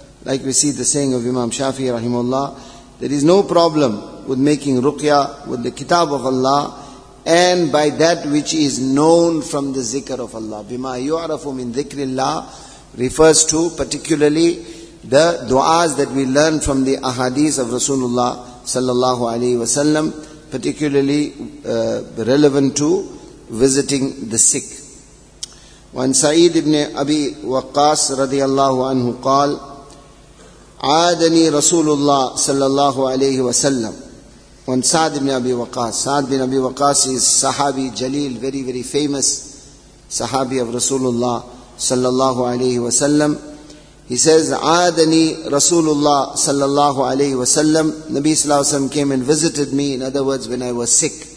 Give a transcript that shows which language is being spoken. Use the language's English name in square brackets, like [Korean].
[English] Like we see the saying of Imam Shafi, rahimahullah, there is no problem with making ruqya with the kitab of Allah and by that which is known from the zikr of Allah. [Arabic] Bima yu'arafu min dhikrillah [English] refers to particularly the du'as that we learn from the ahadith of Rasulullah sallallahu alaihi wasallam, particularly relevant to visiting the sick. When Sa'id ibn Abi Waqqas radiyallahu anhu qal, [Arabic] عادني رسول الله صلى الله عليه وسلم وان سعد بن ابي وقاص. [English] سعد بن ابي وقاص is sahabi jaleel, very very famous sahabi of Rasulullah صلى الله عليه وسلم. He says, [Arabic] "Aadani Rasulullah [English] sallallahu alayhi wa sallam." Nabi sallallahu alayhi wa sallam came and visited me, in other words, when I was sick.